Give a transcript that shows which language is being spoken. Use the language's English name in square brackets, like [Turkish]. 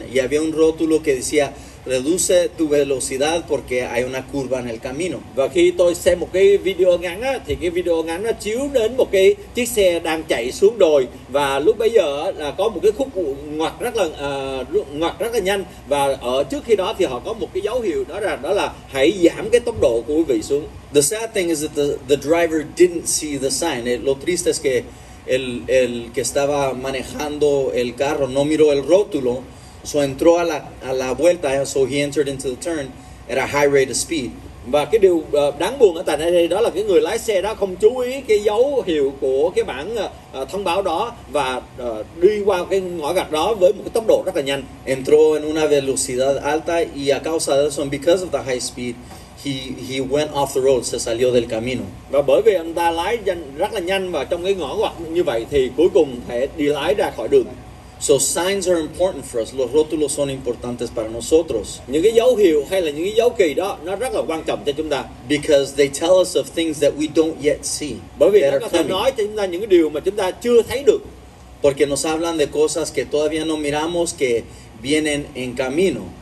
[Spanish] Y había un rótulo que decía reduce tu velocidad porque hay una curva en el camino. [Vietnamese] Và khi tôi xem một cái video ngắn á, thì cái video ngắn nó chiếu đến một cái chiếc xe đang chạy xuống đồi và lúc bấy giờ là có một cái khúc ngoặt rất là nhanh và ở trước khi đó thì họ có một cái dấu hiệu đó là hãy giảm cái tốc độ của quý vị xuống. [English] The sad thing is that the driver didn't see the sign. [Spanish] Lo triste es que el que estaba manejando el carro no miró el rótulo. [English] So [Spanish] entró a la vuelta, [English] so he entered into the turn at a high rate of speed. [Vietnamese] Và cái điều đáng buồn ở tại đây đó là cái người lái xe đó không chú ý cái dấu hiệu của cái bảng thông báo đó và đi qua cái ngõ gạch đó với một cái tốc độ rất là nhanh. [Spanish] Entró en una velocidad alta y a causa de eso, [English] because of the high speed, [Spanish] he went off the road, se salió del camino. [Vietnamese] Và bởi vì anh ta lái rất là nhanh và trong cái ngõ gạch như vậy thì cuối cùng thể đi lái ra khỏi đường. [English] So signs are important for us. [Spanish] Los rótulos son importantes para nosotros. [Vietnamese] Những cái dấu hiệu hay là những cái dấu kỳ đó nó rất là quan trọng cho chúng ta. [English] Because they tell us of things that we don't yet see. [Vietnamese] Bởi vì nó có thể nói cho chúng ta những cái điều mà chúng ta chưa thấy được. [Spanish] Porque nos hablan de cosas que todavía no miramos que vienen en camino.